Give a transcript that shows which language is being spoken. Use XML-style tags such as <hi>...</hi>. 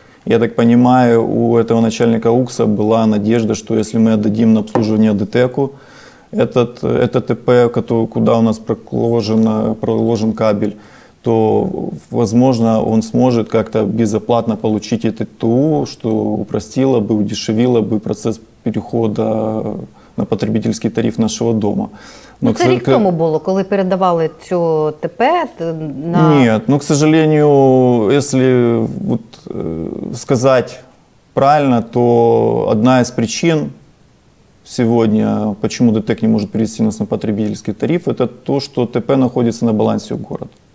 <ru>Я так понимаю, у этого начальника УКСа была надежда, что если мы отдадим на обслуживание ДТЭКу это ТП, куда у нас проложен кабель, то, возможно, он сможет как-то безоплатно получить это ТУ, что упростило бы, удешевило бы процесс перехода на потребительский тариф нашего дома.</ru> <uk>Но це рік тому було, коли передавали цю ТП на... Ні,</uk> <ru>ну, к сожалению, если вот сказать правильно, то одна из причин сегодня, почему ДТЭК не может перевести нас на потребительский тариф, это то, что ТП находится на балансе у города.</ru>